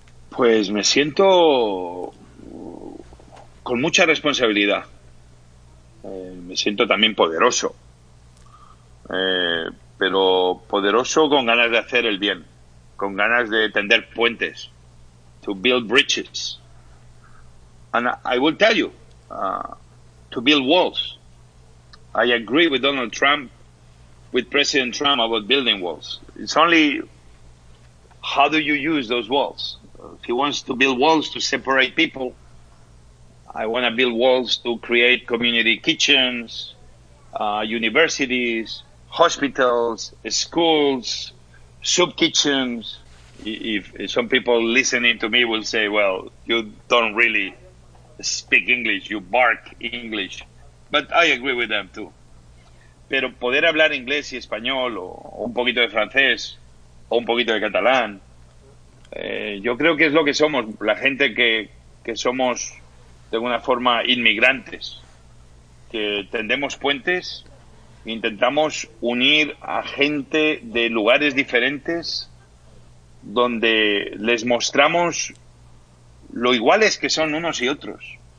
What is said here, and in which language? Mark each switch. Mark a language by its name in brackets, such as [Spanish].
[Spanish] Pues me siento con mucha responsabilidad. Me siento también poderoso, pero poderoso con ganas de hacer el bien, con ganas de tender puentes, [English] to build bridges. And I will tell you, to build walls. I agree with Donald Trump, with President Trump about building walls. It's only how do you use those walls? If he wants to build walls to separate people, I want to build walls to create community kitchens, universities, hospitals, schools, soup kitchens. If some people listening to me will say, well, you don't really speak English, you bark English. But I agree with them too. [Spanish] Pero poder hablar inglés y español, o un poquito de francés, o un poquito de catalán, yo creo que es lo que somos, la gente que somos... de una forma inmigrantes, que tendemos puentes, intentamos unir a gente de lugares diferentes donde les mostramos lo iguales que son unos y otros.